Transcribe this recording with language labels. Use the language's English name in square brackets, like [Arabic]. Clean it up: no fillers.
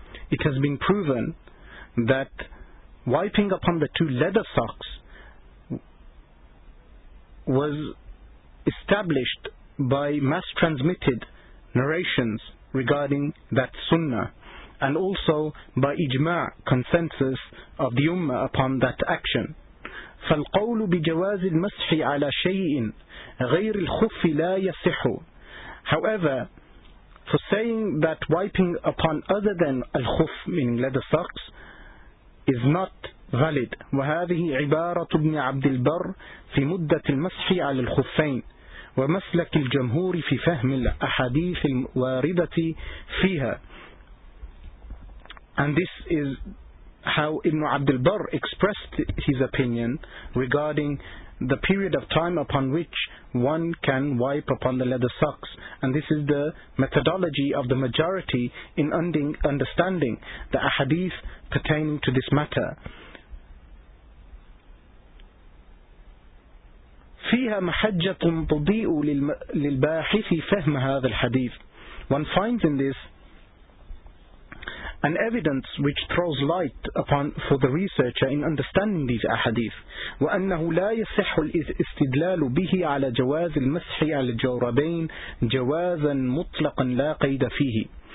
[English] It has been proven that wiping upon the two leather socks was established by mass transmitted narrations regarding that sunnah, and also by ijma' consensus of the ummah upon that action. [Arabic] فالقول بجواز المسح على شيء غير الخف لا يصح. [English] However, for saying that wiping upon other than الخف, meaning leather socks, is not valid. [Arabic] وهذه عبارة ابن عبد البر في مدة المسح على الخفين ومسلك الجمهور في فهم الأحاديث الواردة فيها. [English] And this is how Ibn Abd al-Barr expressed his opinion regarding the period of time upon which one can wipe upon the leather socks. And this is the methodology of the majority in understanding the ahadith pertaining to this matter. [Arabic] فيها محجة تضيء للباحث فهم هذا الحديث. [English] One finds in this an evidence which throws light upon for the researcher in understanding these ahadith. [Arabic] وَأَنَّهُ لَا يَصِحُ الْإِسْتِدْلَالُ بِهِ عَلَى جَوَازِ الْمَسْحِ عَلَى الْجَوْرَبَيْنِ جَوَازًا مُطْلَقًا لَا قَيْدَ فِيهِ.